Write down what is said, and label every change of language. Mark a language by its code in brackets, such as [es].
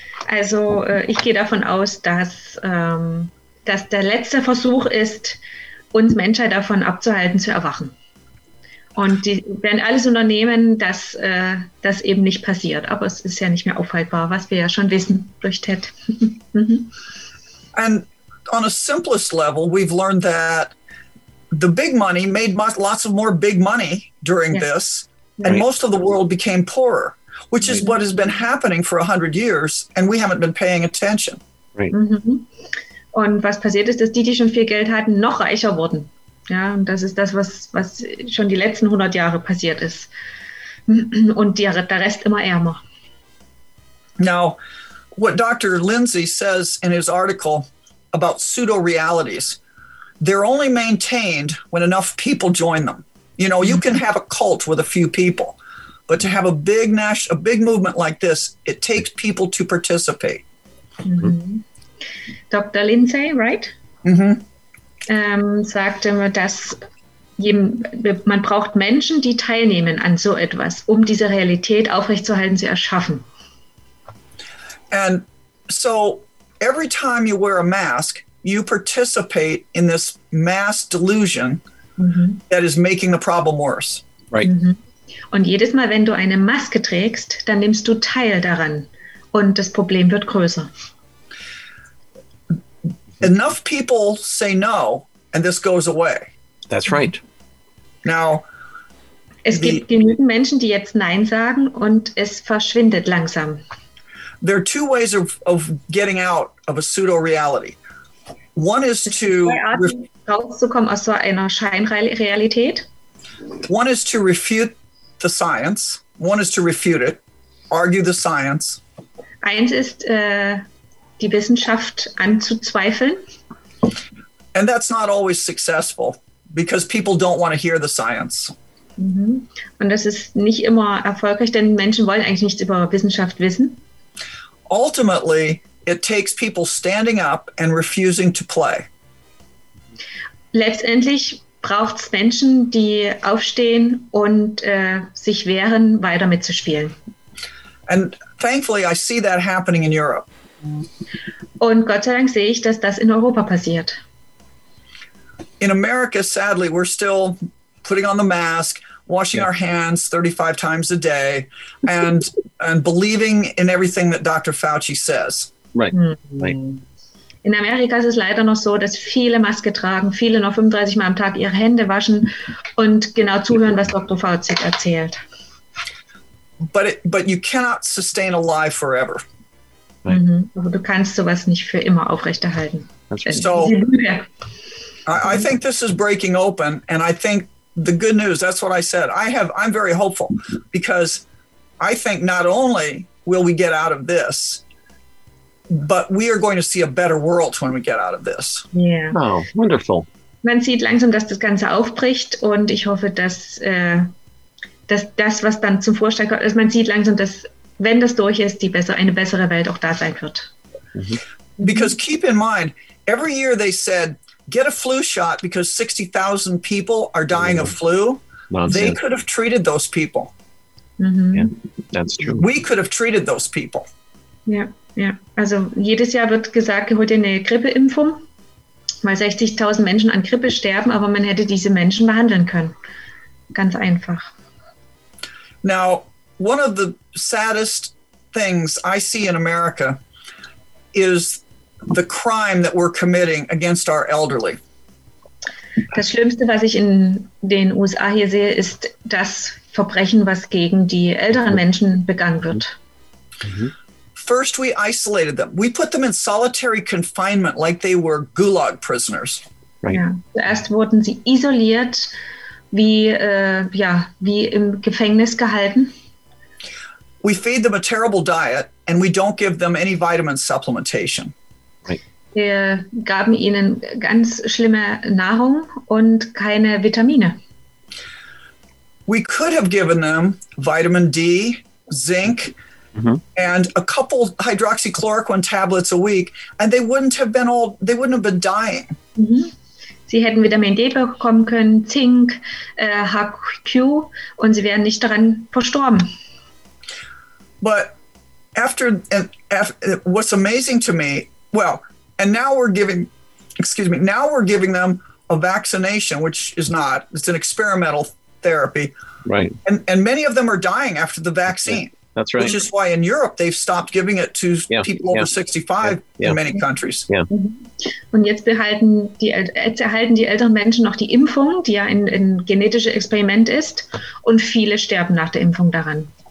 [de] Also, ich gehe davon aus, dass der letzte Versuch ist, uns Menschheit davon abzuhalten, zu erwachen. Und die werden alles unternehmen, dass das eben nicht passiert. Aber es ist ja nicht mehr aufhaltbar, was wir ja schon wissen durch TED. [en] And on a simplest level, we've learned that the big money made lots of more big money during this, and most of the world became poorer, which is what has been happening for 100 years, and we haven't been paying attention. Right. Mm-hmm. [de] Und was passiert ist, dass die schon viel Geld hatten, noch reicher wurden. Ja, und das ist das, was schon die letzten 100 Jahre passiert ist. Und der Rest immer ärmer. [en] Now, what Dr. Lindsay says in his article about pseudo-realities, they're only maintained when enough people join them. You know, you can have a cult with a few people, but to have a big movement like this, it takes people to participate. Mm-hmm. Dr. Lindsay, right? Mm-hmm. [de] Sagte, dass man braucht Menschen, die teilnehmen an so etwas, um diese Realität aufrechtzuerhalten, zu erschaffen. [en] And so every time you wear a mask, you participate in this mass delusion that is making the problem worse. Right. Mm-hmm. [de] Und jedes Mal, wenn du eine Maske trägst, dann nimmst du teil daran und das Problem wird größer. [en] Enough people say no, and this goes away. That's right. Now, [de] es gibt genügend Menschen, die jetzt Nein sagen, und es verschwindet langsam. [en] There are two ways of getting out of a pseudo-reality. One is to [de] rauszukommen aus so einer Scheinrealität. [en] One is to refute the science. One is to refute it. Argue the science. [de] Eins ist die Wissenschaft anzuzweifeln. [en] And that's not always successful, because people don't want to hear the science. Mm-hmm. [de] Und das ist nicht immer erfolgreich, denn Menschen wollen eigentlich nichts über Wissenschaft wissen. [en] Ultimately, it takes people standing up and refusing to play. [de] Letztendlich braucht es Menschen, die aufstehen und sich wehren, weiter mitzuspielen. [en] And thankfully, I see that happening in Europe. [de] Und Gott sei Dank sehe ich, dass das in Europa passiert. [en] In America, sadly, we're still putting on the mask, washing our hands 35 times a day, and and believing in everything that Dr. Fauci says. Right. Mm-hmm. [de] In Amerika ist es leider noch so, dass viele Maske tragen, viele noch 35 Mal am Tag ihre Hände waschen und genau zuhören, was Dr. Fauci erzählt. [en] But you cannot sustain a lie forever. Right. [de] Mm-hmm. Du kannst sowas nicht für immer aufrechterhalten. [en] I think this is breaking open, and I think the good news, that's what I said. I'm very hopeful, because I think not only will we get out of this, but we are going to see a better world when we get out of this. Yeah. Oh, wonderful. [de] Man sieht langsam, dass das Ganze aufbricht, und ich hoffe, dass das, was dann zum Vorschein kommt, man sieht langsam, dass wenn das durch ist, eine bessere Welt auch da sein wird. Mm-hmm. [en] Because keep in mind, every year they said, get a flu shot because 60,000 people are dying of flu. Nonsense. They could have treated those people. Mm-hmm. Yeah, that's true. We could have treated those people. Yeah, yeah. [de] Also jedes Jahr wird gesagt, hol dir eine Grippeimpfung. mal 60.000 Menschen an Grippe sterben, aber man hätte diese Menschen behandeln können. Ganz einfach. [en] Now, one of the saddest things I see in America is the crime that we're committing against our elderly. [de] Das Schlimmste, was ich in den USA hier sehe, ist das Verbrechen, was gegen die älteren Menschen begangen wird. [en] First we isolated them. We put them in solitary confinement like they were gulag prisoners. Right. [de] Ja, zuerst wurden sie isoliert, wie, ja, wie im Gefängnis gehalten. [en] We feed them a terrible diet and we don't give them any vitamin supplementation. [de] Wir gaben ihnen ganz schlimme Nahrung und keine Vitamine. [en] We could have given them vitamin D, zinc, and a couple hydroxychloroquine tablets a week, and they wouldn't have been all, they wouldn't have been dying. [de] Sie hätten Vitamin D bekommen können, Zink, HQ, und sie wären nicht daran verstorben. [en] But after, what's amazing to me, well, and now we're giving, excuse me, now we're giving them a vaccination, which is not, it's an experimental therapy. Right. And many of them are dying after the vaccine. Yeah. That's right. Which is why in Europe they've stopped giving it to people over 65 in many countries. [de] Und jetzt behalten die, jetzt erhalten die älteren Menschen noch die Impfung, die ja ein genetisches Experiment ist, und viele sterben nach der Impfung daran.